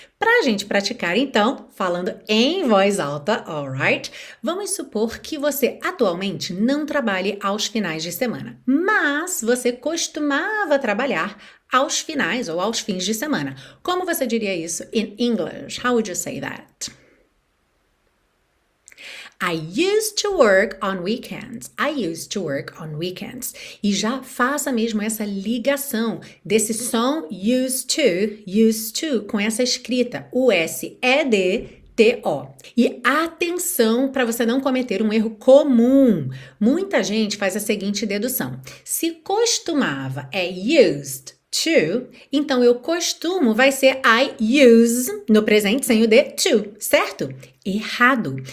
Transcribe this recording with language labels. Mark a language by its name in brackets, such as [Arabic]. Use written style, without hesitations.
[Portuguese] Para a gente praticar, então, falando em voz alta, alright? Vamos supor que você atualmente não trabalhe aos finais de semana, mas você costumava trabalhar aos finais ou aos fins de semana. Como você diria isso in English? [English] How would you say that? I used to work on weekends. I used to work on weekends. [Portuguese] E já faça mesmo essa ligação desse som used to com essa escrita, o S, E, D, T, O. E atenção para você não cometer um erro comum. Muita gente faz a seguinte dedução: se costumava é used to, então eu costumo vai ser I use no presente sem o D, to, certo? Errado.